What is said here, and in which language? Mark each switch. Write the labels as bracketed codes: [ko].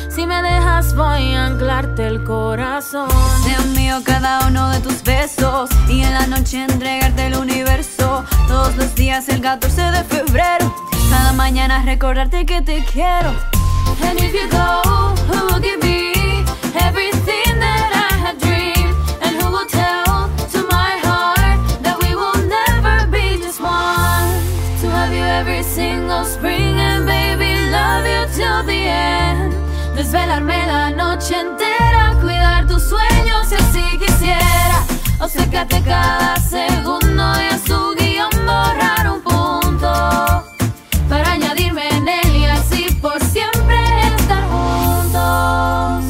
[es] Si me dejas voy a anclarte el corazón. Deseo mío cada uno de tus besos y en la noche entregarte el universo. Todos los días el 14 de febrero, cada mañana recordarte que te quiero. [en] And if you go, who will give me everything that I have dreamed? And who will tell to my heart that we will never be just one? To have you every single spring and baby love you till the end. [es] Desvelarme la noche entera, cuidar tus sueños si así quisiera. Acércate cada segundo y a su guión borrar un punto para añadirme en él y así por siempre estar juntos.